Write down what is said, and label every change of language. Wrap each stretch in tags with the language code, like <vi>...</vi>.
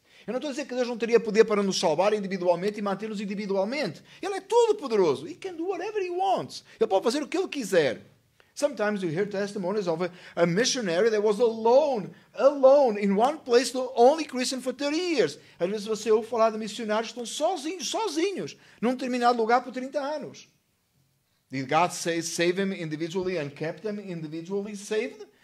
<pt>Eu não estou a dizer que Deus não teria poder para nos salvar individualmente e manter-nos individualmente. Ele é todo poderoso.</pt> <en>He can do whatever he wants.</en> <pt>Ele pode fazer o que ele quiser.</pt> <en>Sometimes you hear testimonies of a missionary that was alone, in one place, the only Christian for 30 years.</en> <pt>Às vezes você ouve falar de missionários que estão sozinhos, num determinado lugar por 30 anos.</pt> <en>Did God save him individually and kept him individually saved?</en>